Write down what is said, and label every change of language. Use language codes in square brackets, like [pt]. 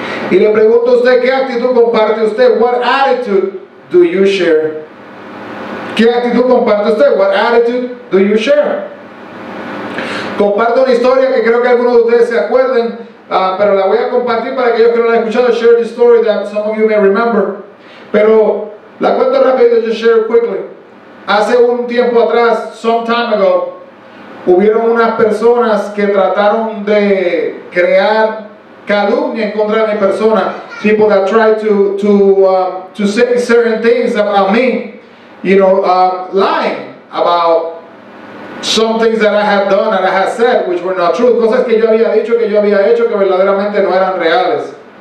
[es] Y le pregunto a usted, ¿qué actitud comparte usted? [en] What attitude do you share? [es] ¿Qué actitud comparte usted? [en] What attitude do you share? [es] Comparto una historia que creo que algunos de ustedes se acuerden, pero la voy a compartir para aquellos que no la han escuchado. [en] Share the story that some of you may remember. [es] Pero la cuento rápido, [en] just share it quickly. [es] Hace un tiempo atrás, [en] some time ago, [es] hubieron unas personas que trataron de crear calumnia en contra de mi persona. [en] People that tried to say certain things about me, you know, lying about some things that I had done and I had said which were not true. [es] Cosas que yo había dicho, que yo había hecho, que verdaderamente no eran reales.